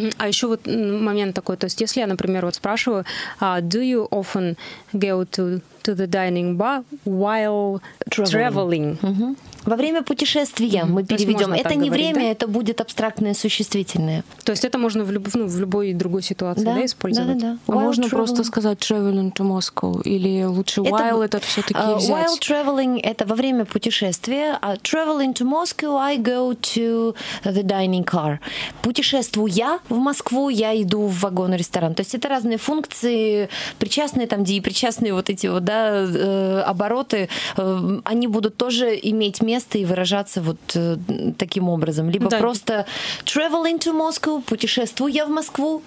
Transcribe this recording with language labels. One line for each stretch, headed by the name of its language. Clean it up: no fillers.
Russian: А еще вот момент такой, то есть если я, например, вот спрашиваю,
English: do you often go to the dining bar while traveling?
Russian: Во время путешествия мы переведем. Это не говорить, время, да? Это будет абстрактное существительное. То есть это можно в любой другой ситуации, да? Да, использовать? Да. А можно traveling. Просто сказать
English: traveling to Moscow?
Russian: Или лучше while это все-таки взять?
English: While traveling
Russian: – это во время путешествия.
English: Traveling to Moscow – I go to the dining car.
Russian: Путешествуя в Москву, я иду в вагон-ресторан. То есть это разные функции, причастные там, деепричастные вот эти вот, да, обороты. Они будут тоже иметь место и выражаться вот таким образом. Либо да. Просто
English: traveling to Moscow,
Russian: путешествую я в Москву.